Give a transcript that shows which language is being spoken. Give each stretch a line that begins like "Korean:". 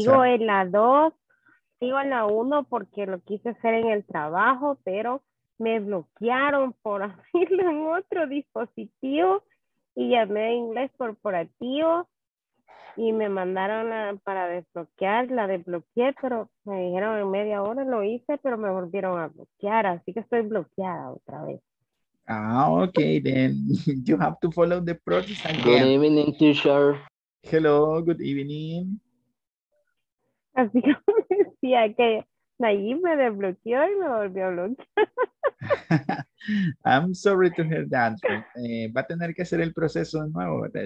Spanish: Sigo en la 2, sigo en la 1 porque lo quise hacer en el trabajo, pero me bloquearon por abrirlo en otro dispositivo y llamé a Inglés Corporativo y me mandaron para desbloquear, la desbloqueé, pero me dijeron en media hora lo hice, pero me volvieron a bloquear, así que estoy bloqueada otra vez.
English: Okay, then you have to follow the process again. Good evening, teacher. Hello, good evening.
Spanish: Así como decía que Nayib me desbloqueó y me volvió a bloquear.
English: I'm sorry to hear that.
Spanish: Va a tener que hacer el proceso de nuevo, ¿verdad?